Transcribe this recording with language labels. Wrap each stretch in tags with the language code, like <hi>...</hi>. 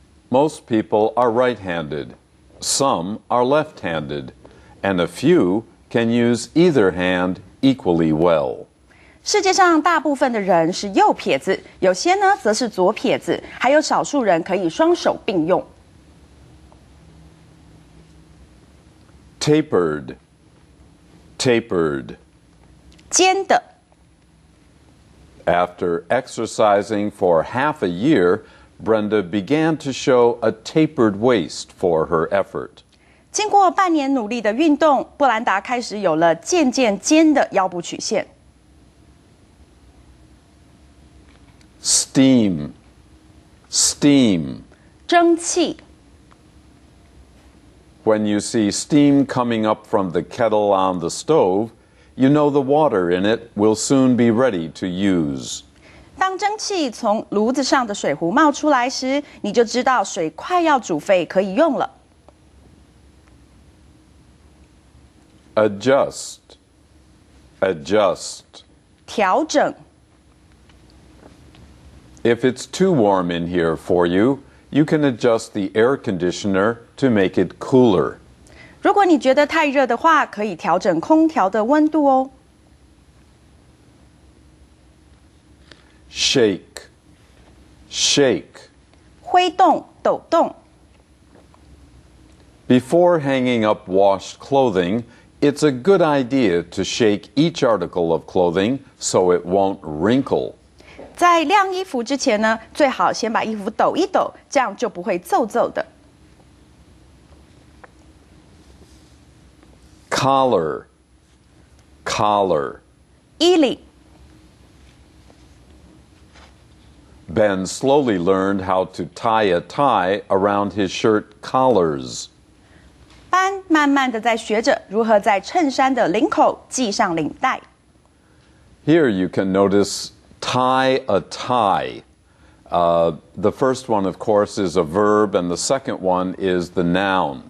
<en>Most people are right-handed. Some are left-handed. And a few can use either hand equally well.</en> <zh>世界上大部分的人是右撇子，有些呢则是左撇子，还有少数人可以双手并用。</zh> <en>Tapered. Tapered.</en> <zh>尖的。</zh> <en>After exercising for half a year,Brenda began to show a tapered waist for her effort.</en> <zh>经过半年努力的运动，布兰达开始有了渐渐尖的腰部曲线。</zh> <en>Steam, steam,</en> <zh>蒸汽。</zh> <en>When you see steam coming up from the kettle on the stove, you know the water in it will soon be ready to use.</en> <zh>当蒸汽从炉子上的水壶冒出来时，你就知道水快要煮沸，可以用了。</zh> <en>Adjust, adjust.</en> <zh>调整。</zh> <en>If it's too warm in here for you, you can adjust the air conditioner to make it cooler.</en> <zh>如果你觉得太热的话，可以调整空调的温度哦。</zh> <en>Shake, shake.</en> <zh>挥动，抖动。</zh> <en>Before hanging up washed clothing, it's a good idea to shake each article of clothing so it won't wrinkle.</en> <zh>在晾衣服之前呢，最好先把衣服抖一抖，这样就不会皱皱的。</zh> <en>Collar, collar.</en> <zh>衣领。</zh> <en>Ben slowly learned how to tie a tie around his shirt collars.</en> <zh>Ben 慢慢地在学着如何在衬衫的领口系上领带。</zh> <en>Here you can notice tie a tie. The first one, of course, is a verb, and the second one is the noun.</en>